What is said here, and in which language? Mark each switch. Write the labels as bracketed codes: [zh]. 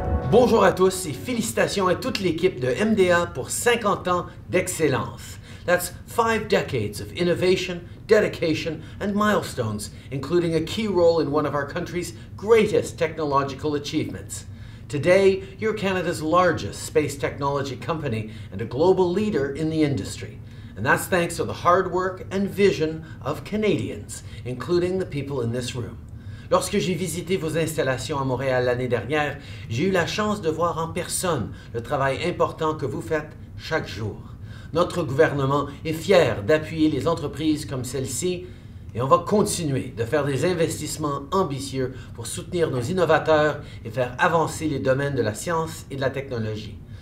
[fr] Bonjour à tous et félicitations à toute l'équipe de MDA pour 50 ans d'excellence. [en] That's 5 decades of innovation, dedication and milestones, including a key role in one of our country's greatest technological achievements. Today, you're Canada's largest space technology company and a global leader in the industry. And that's thanks to the hard work and vision of Canadians, including the people in this room. [fr] Lorsque j'ai visité vos installations à Montréal l'année dernière, j'ai eu la chance de voir en personne le travail important que vous faites chaque jour. Notre gouvernement est fier d'appuyer les entreprises comme celle-ci et on va continuer de faire des investissements ambitieux pour soutenir nos innovateurs et faire avancer les domaines de la science et de la technologie.